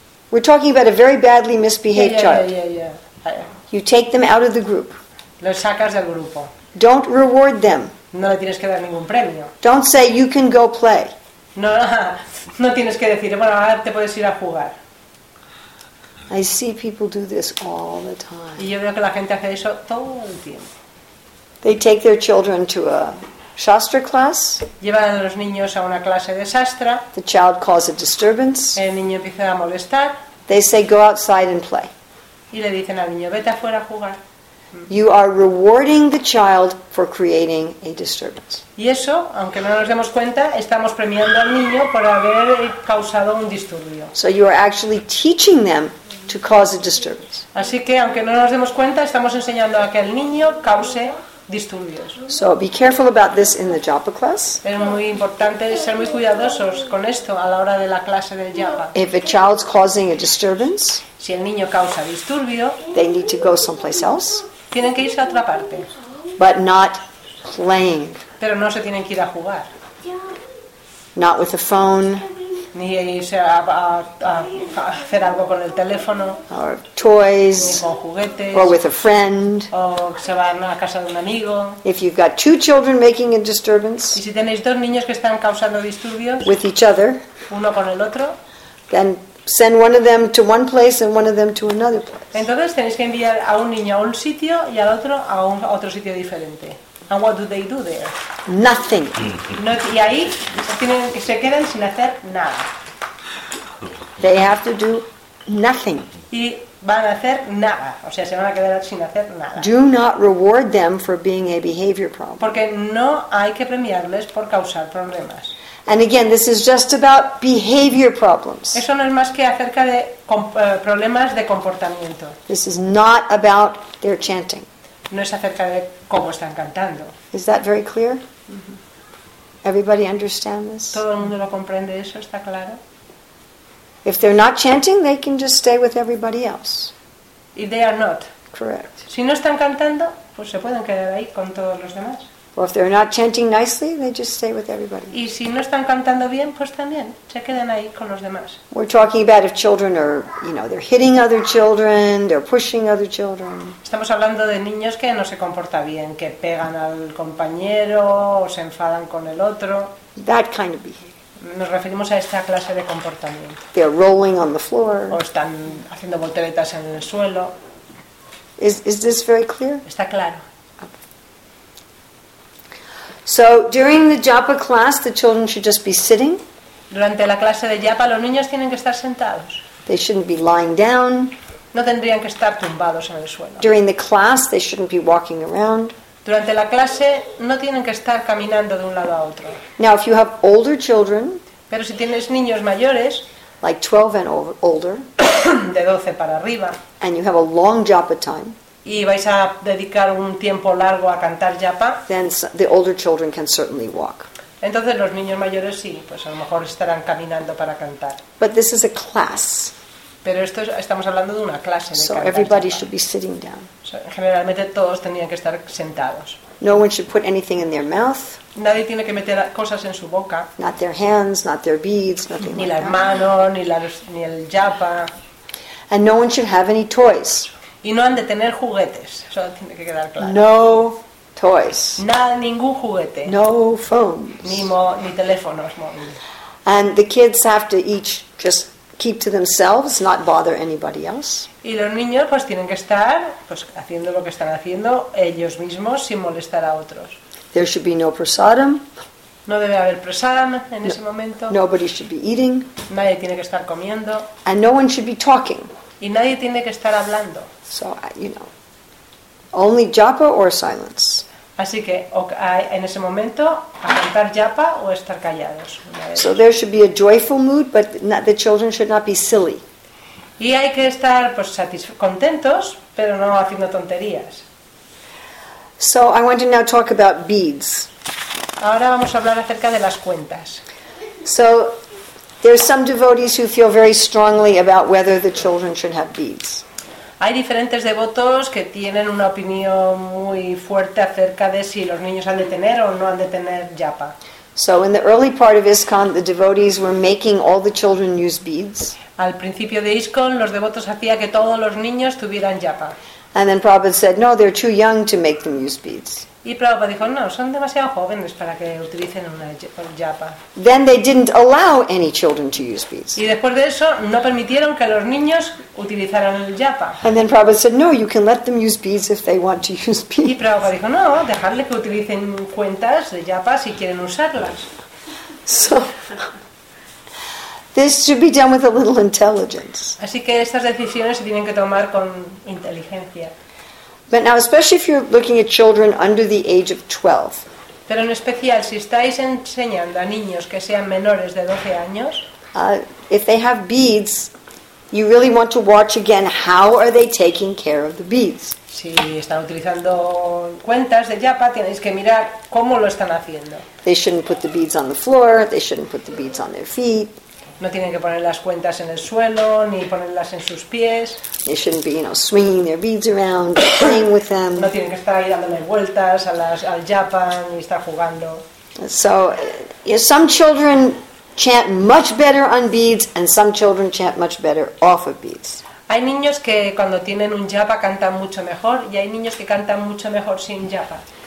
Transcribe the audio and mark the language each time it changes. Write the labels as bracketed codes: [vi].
[en] We're talking about a very badly misbehaved child. You take them out of the group. [es] Los sacas del grupo. [en] Don't reward them. [es] No le tienes que dar ningún premio. [en] Don't say you can go play. [es] No tienes que decir, bueno, ahora te puedes ir a jugar. [en] I see people do this all the time. [es] Y yo veo que la gente hace eso todo el tiempo. [en] They take their children to a Shastra class. [es] Llevar a los niños a una clase de Shastra. [en] The child causes a disturbance. [es] El niño empieza a molestar. [en] They say, go outside and play. [es] Y le dicen al niño, vete afuera a jugar. [en] You are rewarding the child for creating a disturbance. [es] Y eso, aunque no nos demos cuenta, estamos premiando al niño por haber causado un disturbio. [en] So you are actually teaching them to cause a disturbance. [es] Así que, aunque no nos demos cuenta, estamos enseñando a que el niño cause disturbios. [en] So be careful about this in the japa class. [es] Es muy importante ser muy cuidadosos con esto a la hora de la clase del japa. [en] If a child's causing a disturbance, [es] si el niño causa disturbio, [en] they need to go someplace else. [es] Tienen que irse a otra parte. [en] But not playing. [es] Pero no se tienen que ir a jugar. [en] Not with a phone. [es] Ni irse a hacer algo con el teléfono. [en] Or toys. [es] Ni con juguetes. [en] Or with a friend. [es] O se van a casa de un amigo. [en] If you've got two children making a disturbance. [es] Y si tenéis dos niños que están causando disturbios. [en] With each other. [es] Uno con el otro. [en] Then send one of them to one place and one of them to another place. [es] Entonces tenéis que enviar a un niño a un sitio y al otro a un otro sitio diferente. [en] And what do they do there? Nothing. [es] Y ahí tienen que se quedan sin hacer nada. [en] They have to do nothing. [es] Y van a hacer nada, o sea, se van a quedar sin hacer nada. [en] Do not reward them for being a behavior problem. [es] Porque no hay que premiarles por causar problemas. [en] And again, this is just about behavior problems. [es] Eso no es más que acerca de problemas de comportamiento. [en] This is not about their chanting. [es] No es acerca de cómo están cantando. [en] Is that very clear? Mm-hmm. Everybody understand this? [es] Todo el mundo lo comprende, eso está claro. [en] If they're not chanting, they can just stay with everybody else. If they are not. Correct. [es] Si no están cantando, pues se pueden quedar ahí con todos los demás. [en] Well, if they're not chanting nicely, they just stay with everybody. [es] Y si no están cantando bien, pues también se quedan ahí con los demás. [en] We're talking about if children are, you know, they're hitting other children, they're pushing other children. [es] Estamos hablando de niños que no se comporta bien, que pegan al compañero o se enfadan con el otro. [en] That kind of behavior. [es] Nos referimos a esta clase de comportamiento. [en] They're rolling on the floor. [es] O están haciendo volteretas en el suelo. [en] Is this very clear? [es] Está claro. [en] So during the japa class, the children should just be sitting. [es] Durante la clase de japa, los niños tienen que estar sentados. [en] They shouldn't be lying down. [es] No tendrían que estar tumbados en el suelo. [en] During the class, they shouldn't be walking around. [es] Durante la clase, no tienen que estar caminando de un lado a otro. [en] Now, if you have older children, [es] pero si tienes niños mayores, [en] like 12 and older, [es] de 12 para arriba, [en] and you have a long japa time, [es] y vais a dedicar un tiempo largo a cantar japa, [en] then the older children can certainly walk. [es] Entonces los niños mayores sí, pues a lo mejor estarán caminando para cantar. [en] But this is a class. [es] Pero esto es, estamos hablando de una clase de [en] so everybody japa. Should be sitting down. [es] So, generalmente todos tenían que estar sentados. [en] No one should put anything in their mouth. [es] Nadie tiene que meter cosas en su boca. [en] Not their hands, not their beads, nothing. [es] Ni [en] like [es] las manos, ni el japa. [en] And no one should have any toys. [es] Y no han de tener juguetes, eso tiene que quedar claro. [en] No toys. [es] Nada, ningún juguete. [en] No phones. [es] Ni teléfonos móviles. [en] And the kids have to each just keep to themselves, not bother anybody else. [es] Y los niños pues tienen que estar pues haciendo lo que están haciendo ellos mismos sin molestar a otros. [en] There should be no prasadam. [es] No debe haber prasadam en ese momento. [en] Nobody should be eating. [es] Nadie tiene que estar comiendo. [en] And no one should be talking. [es] Y nadie tiene que estar hablando. [en] So, you know, only japa or silence. [es] Así que, en ese momento, a cantar japa o estar callados. [en] So there should be a joyful mood, but the children should not be silly. [es] Y hay que estar, pues, contentos, pero no haciendo tonterías. [en] So I want to now talk about beads. [es] Ahora vamos a hablar acerca de las cuentas. [en] So there are some devotees who feel very strongly about whether the children should have beads. [es] Hay diferentes devotos que tienen una opinión muy fuerte acerca de si los niños han de tener o no han de tener japa. [en] So in the early part of ISKCON, the devotees were making all the children use beads. [es] Al principio de ISKCON, los devotos hacían que todos los niños tuvieran japa. [en] And then Prabhupada said, no, they're too young to make them use beads. [es] Y Prabhupada dijo, no, son demasiado jóvenes para que utilicen una japa. [en] Then they didn't allow any children to use beads. [es] Y después de eso, no permitieron que los niños utilizaran el japa. [en] And then Prabhupada said, no, you can let them use beads if they want to use beads. [es] Y Prabhupada dijo, no, dejarles que utilicen cuentas de japa si quieren usarlas. [en] So, this should be done with a little intelligence. [es] Así que estas decisiones se tienen que tomar con inteligencia. [en] But now, especially if you're looking at children under the age of 12. [es] Pero en especial si estáis enseñando a niños que sean menores de 12 años. [en] If they have beads, you really want to watch again how are they taking care of the beads. [es] Si están utilizando cuentas de yapa, tenéis que mirar cómo lo están haciendo. [en] They shouldn't put the beads on the floor. They shouldn't put the beads on their feet. [es] No tienen que poner las cuentas en el suelo ni ponerlas en sus pies. [en] They shouldn't be, you know, swinging their beads around, playing with them. [es] No tienen que estar ahí dándole vueltas al japa ni estar jugando. [en] So, some children chant much better on beads and some children chant much better off of beads. [es] Hay niños que cuando tienen un japa cantan mucho mejor y hay niños que cantan mucho mejor sin japa.